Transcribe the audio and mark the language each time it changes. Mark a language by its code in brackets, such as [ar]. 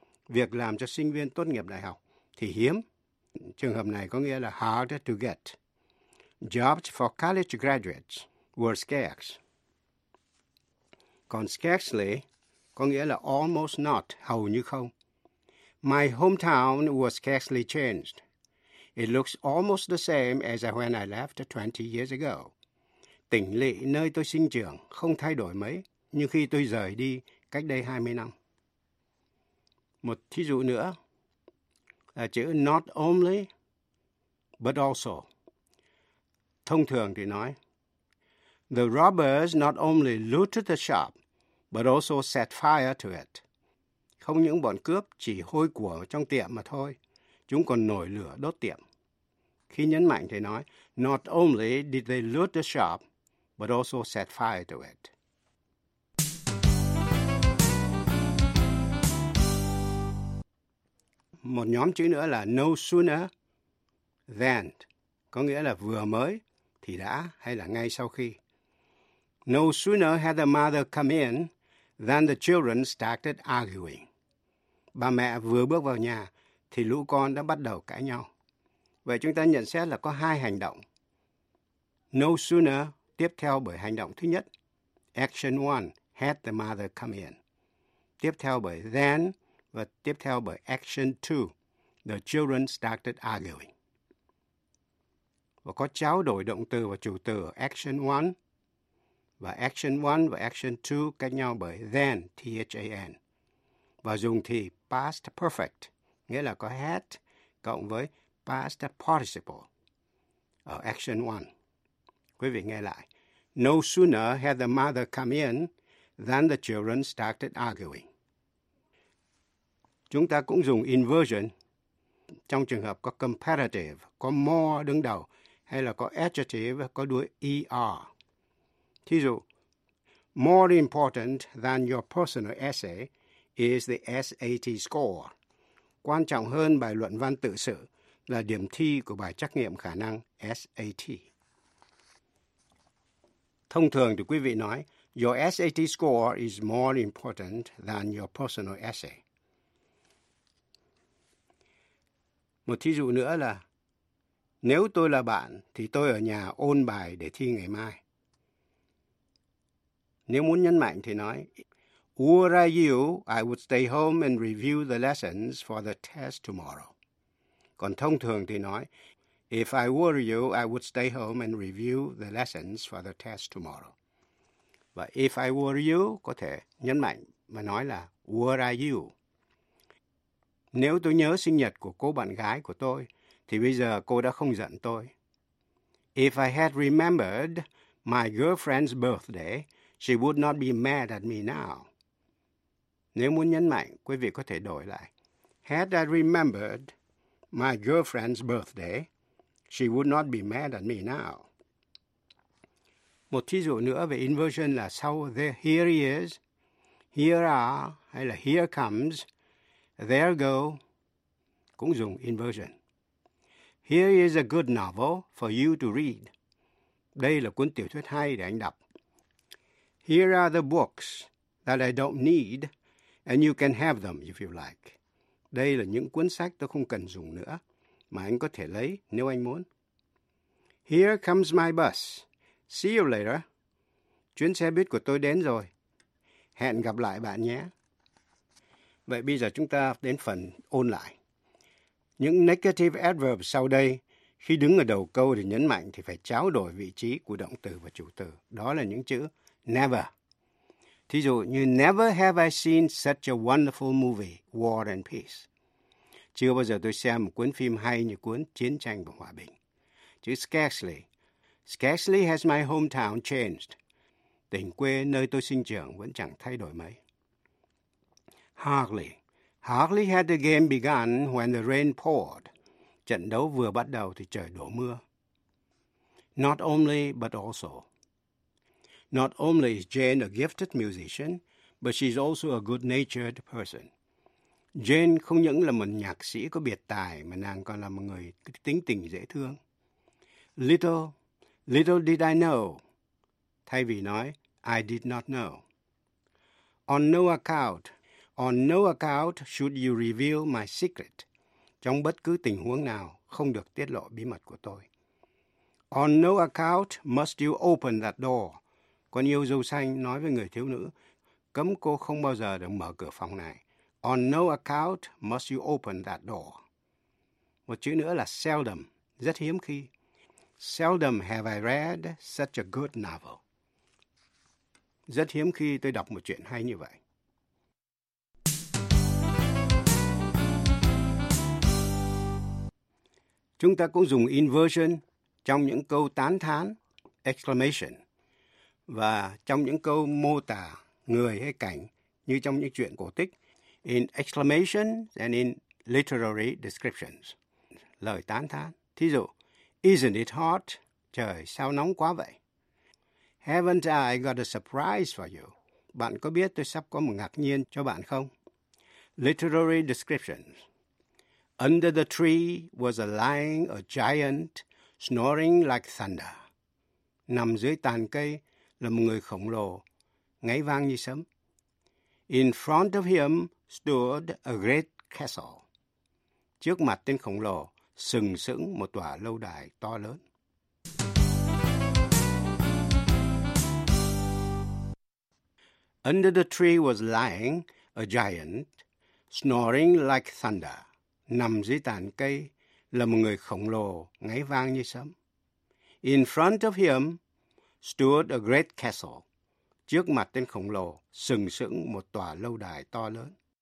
[vi] Việc làm cho sinh viên tốt nghiệp đại học thì hiếm. Trường hợp này có nghĩa là [en] harder to get. Jobs for college graduates were scarce. [vi] Còn scarcely có nghĩa là [en] almost not, [vi] hầu như không. [en] My hometown was scarcely changed. It looks almost the same as when I left 20 years ago. [vi] Tỉnh lỵ nơi tôi sinh trưởng không thay đổi mấy như khi tôi rời đi cách đây 20 năm. Một thí dụ nữa là chữ not only but also. Thông thường thì nói [en] the robbers not only looted the shop but also set fire to it. [vi] Không những bọn cướp chỉ hôi của trong tiệm mà thôi, chúng còn nổi lửa đốt tiệm. Khi nhấn mạnh thì nói [en] not only did they loot the shop but also set fire to it. [vi] Một nhóm chữ nữa là no sooner than, có nghĩa là vừa mới thì đã hay là ngay sau khi. [en] No sooner had the mother come in than the children started arguing. [vi] Bà mẹ vừa bước vào nhà thì lũ con đã bắt đầu cãi nhau. Vậy chúng ta nhận xét là có hai hành động. [en] No sooner [vi] tiếp theo bởi hành động thứ nhất. [en] Action one, had the mother come in. [vi] Tiếp theo bởi [en] then [vi] và tiếp theo bởi [en] action two, the children started arguing. [vi] Và có trao đổi động từ và chủ từ action 1 và action 1 và action 2 cách nhau bởi then, than. Và dùng thì past perfect, nghĩa là có had cộng với past participle ở action 1. Quý vị nghe lại. [en] No sooner had the mother come in than the children started arguing. [vi] Chúng ta cũng dùng inversion trong trường hợp có comparative, có more đứng đầu, hay là có adjective có đuôi er. Thí dụ, [en] More important than your personal essay is the SAT score. [vi] Quan trọng hơn bài luận văn tự sự là điểm thi của bài trắc nghiệm khả năng SAT. Thông thường thì quý vị nói, [en] your SAT score is more important than your personal essay. [vi] Một thí dụ nữa là, nếu tôi là bạn thì tôi ở nhà ôn bài để thi ngày mai. Nếu muốn nhấn mạnh thì nói, [en] were I you, I would stay home and review the lessons for the test tomorrow. [vi] Còn thông thường thì nói, [en] if I were you, I would stay home and review the lessons for the test tomorrow. [vi] Và [en] if I were you [vi] có thể nhấn mạnh mà nói là [en] were I you. [vi] Nếu tôi nhớ sinh nhật của cô bạn gái của tôi, thì bây giờ cô đã không giận tôi. [en] If I had remembered my girlfriend's birthday, she would not be mad at me now. [vi] Nếu muốn nhấn mạnh, quý vị có thể đổi lại. [en] Had I remembered my girlfriend's birthday, she would not be mad at me now. [vi] Một thí dụ nữa về inversion là sau there, here he is, here are, hay là here comes, there go, cũng dùng inversion. [en] Here is a good novel for you to read. [vi] Đây là cuốn tiểu thuyết hay để anh đọc. [en] Here are the books that I don't need, and you can have them if you like. [vi] Đây là những cuốn sách tôi không cần dùng nữa, mà anh có thể lấy nếu anh muốn. [en] Here comes my bus. See you later. [vi] Chuyến xe buýt của tôi đến rồi. Hẹn gặp lại bạn nhé. Vậy bây giờ chúng ta đến phần ôn lại. Những negative adverbs sau đây, khi đứng ở đầu câu để nhấn mạnh thì phải trao đổi vị trí của động từ và chủ từ. Đó là những chữ never. Thí dụ như [en] never have I seen such a wonderful movie, War and Peace. [vi] Chưa bao giờ tôi xem một cuốn phim hay như cuốn Chiến tranh và Hòa bình. Chữ scarcely. [en] Scarcely has my hometown changed. [vi] Tỉnh quê nơi tôi sinh trưởng vẫn chẳng thay đổi mấy. [en] Hardly. Hardly had the game begun when the rain poured. [vi] Trận đấu vừa bắt đầu thì trời đổ mưa. [en] Not only, but also. Not only is Jane a gifted musician, but she's also a good-natured person. [vi] Jane không những là một nhạc sĩ có biệt tài, mà nàng còn là một người tính tình dễ thương. [en] Little did I know. [vi] Thay vì nói, [en] I did not know. On no account should you reveal my secret. [vi] Trong bất cứ tình huống nào, không được tiết lộ bí mật của tôi. [en] On no account must you open that door. [vi] Con yêu dâu xanh nói với người thiếu nữ, cấm cô không bao giờ được mở cửa phòng này. [en] On no account must you open that door. [vi] Một chữ nữa là seldom, rất hiếm khi. [en] Seldom have I read such a good novel. [vi] Rất hiếm khi tôi đọc một chuyện hay như vậy. Chúng ta cũng dùng inversion trong những câu tán thán, exclamation. Và trong những câu mô tả người hay cảnh, như trong những chuyện cổ tích, [en] in exclamation and in literary descriptions, [vi] lời tán thán. Thí dụ, [en] isn't it hot? [vi] Trời, sao nóng quá vậy? [en] Haven't I got a surprise for you? [vi] Bạn có biết tôi sắp có một ngạc nhiên cho bạn không? [en] Literary descriptions. Under the tree was a giant snoring like thunder. [vi] Nằm dưới tàn cây là một người khổng lồ, ngáy vang như sấm. [en] In front of him stood a great castle. [vi] Trước mặt tên khổng lồ, sừng sững một tòa lâu đài to lớn. [en] Under the tree was lying a giant, snoring like thunder. [vi] Nằm dưới tàn cây là một người khổng lồ, ngáy vang như sấm. [en] In front of him stood a great castle. [vi] Trước mặt tên khổng lồ, sừng sững một tòa lâu đài to lớn.